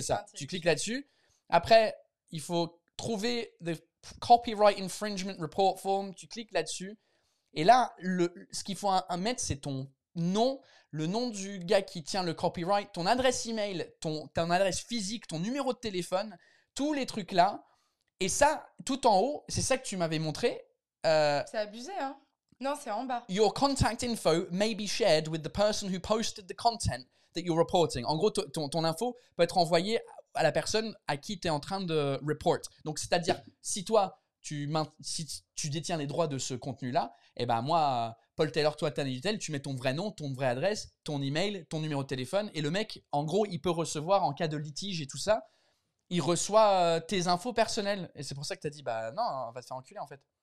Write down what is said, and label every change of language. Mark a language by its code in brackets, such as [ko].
[fr] C'est ça. Tu cliques là-dessus. Après, il faut trouver [en] the copyright infringement report form. [fr] Tu cliques là-dessus. Et là, ce qu'il faut mettre, c'est ton nom, le nom du gars qui tient le copyright, ton adresse email, ton adresse physique, ton numéro de téléphone, tous les trucs-là. Et ça, tout en haut, c'est ça que tu m'avais montré. C'est abusé, hein? Non, c'est en bas. [en] Your contact info may be shared with the person who posted the content that you're reporting. [fr] En gros, ton info peut être envoyée à la personne à qui tu es en train de report. Donc, c'est-à-dire, si toi, tu détiens les droits de ce contenu-là, eh ben moi, Paul Taylor, toi, Tania Dutel, tu mets ton vrai nom, ton vraie adresse, ton email, ton numéro de téléphone, et le mec, en gros, il peut recevoir, en cas de litige et tout ça, il reçoit tes infos personnelles. Et c'est pour ça que tu as dit, bah non, on va te faire enculer, en fait.